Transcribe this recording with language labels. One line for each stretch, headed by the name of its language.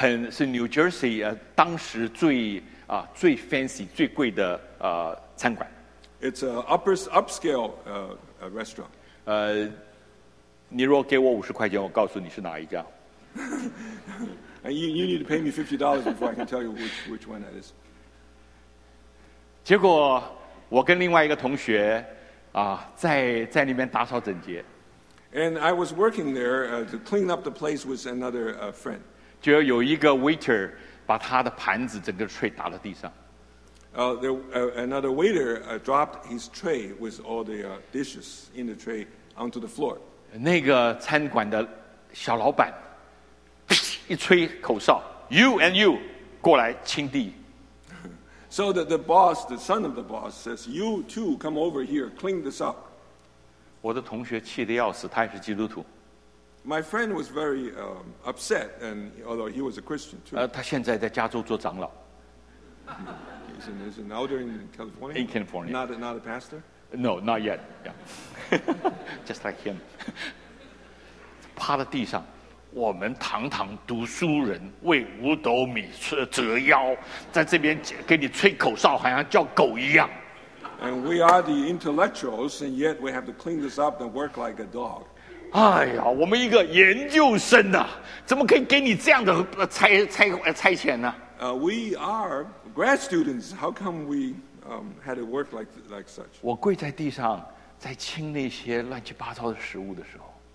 Chinese: 是 New Jersey 当时最 fancy 最贵的 餐馆。
English: It's an upscale restaurant.
Chinese: 你若给我50块钱, 我告诉你是哪一家。
English: And you need to pay me $50 before I can tell you which one that is.
Chinese: 结果我跟另外一个同学, 在里面打扫整洁。
English: And I was working there to clean up the place with another friend.
Chinese: 就有一个 waiter 把他的盘子整个tray打到地上。
English: Another waiter dropped his tray with all the dishes in the tray onto the floor.
Chinese: 那个餐馆的小老板, 一吹口哨,
English: you and you,
Chinese: 过来清地。
English: So the boss, the son of the boss, says, you too, come over here, clean this up.
Chinese: 我的同学气得要死, 他也是基督徒。
English: My friend was very upset, and although he was a Christian too.
Chinese: 他现在在加州做长老。
English: He's an elder in California? In California. Not a pastor? No, not yet. Yeah. Just like him.
Chinese: 趴在地上。我们堂堂读书人为五斗米折腰在这边给你吹口哨好像叫狗一样。
English: And we are the intellectuals, and yet we have to clean this up and work like a dog.
Chinese: 哎呀，我们一个研究生啊，怎么可以给你这样的差遣呢？
English: We are grad students. How come we had to work like such?
Chinese: 我跪在地上在清那些乱七八糟的食物的时候，